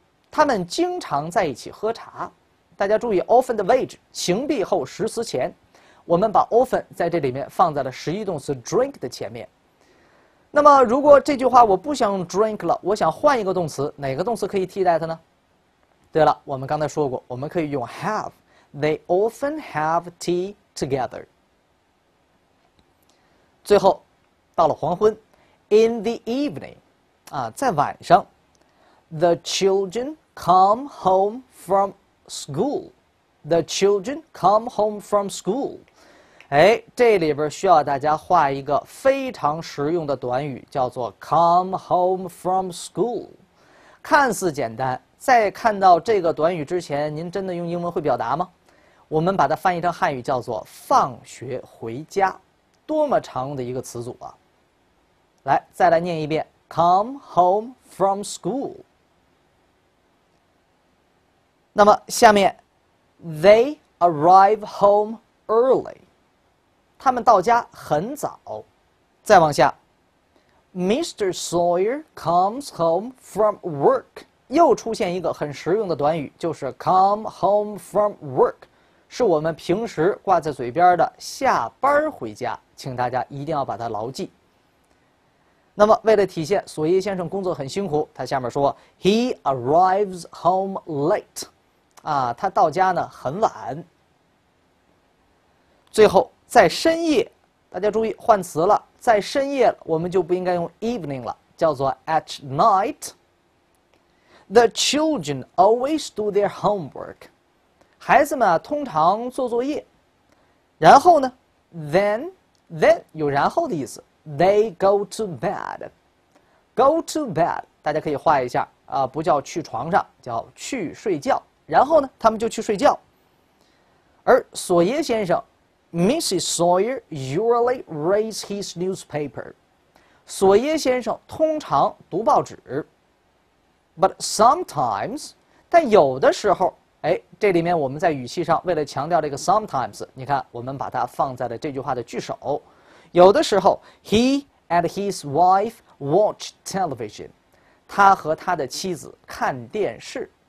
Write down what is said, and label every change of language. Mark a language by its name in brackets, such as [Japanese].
[Chinese] 他们经常在一起喝茶。大家注意 often 的位置，形闭后实词前。我们把 often 在这里面放在了实义动词 drink 的前面。那么如果这句话我不想用 drink 了，我想换一个动词，哪个动词可以替代它呢？对了，我们刚才说过，我们可以用 have。 [English] They often have tea together。 [Chinese] 最后，到了黄昏， [English] in the evening， [Chinese] 啊，在晚上， [English] the children come home from school。 The children come home from school。 [Chinese] 哎，这里边需要大家画一个非常实用的短语，叫做 [English] come home from school。 [Chinese] 看似简单，在看到这个短语之前，您真的用英文会表达吗？我们把它翻译成汉语，叫做放学回家。多么常用的一个词组啊！来，再来念一遍： [English] come home from school。 [Chinese] 那么下面， [English] they arrive home early。 [Chinese] 他们到家很早。再往下，Mr. [English] Sawyer comes home from work。 [Chinese] 又出现一个很实用的短语，就是 [English] come home from work。 [Chinese] 是我们平时挂在嘴边的下班回家，请大家一定要把它牢记。那么，为了体现索耶先生工作很辛苦，他下面说 [English] "He arrives home late"， [Chinese] 啊，他到家呢很晚。最后，在深夜，大家注意换词了，在深夜我们就不应该用 evening 了，叫做 [English] at night。 The children always do their homework。 [Chinese] 孩子们啊，通常做作业，然后呢，then 有然后的意思。 [English] They go to bed, go to bed， [Chinese] 大家可以画一下啊，不叫去床上，叫去睡觉。然后呢，他们就去睡觉。而索耶先生 ，Mrs. [English] Sawyer usually reads his newspaper。 [Chinese] 索耶先生通常读报纸 ， [English] but sometimes， [Chinese] 但有的时候。哎，这里面我们在语气上为了强调这个 sometimes， 你看我们把它放在了这句话的句首。有的时候 ， [English] he and his wife watch television， [Chinese] 他和他的妻子看电视。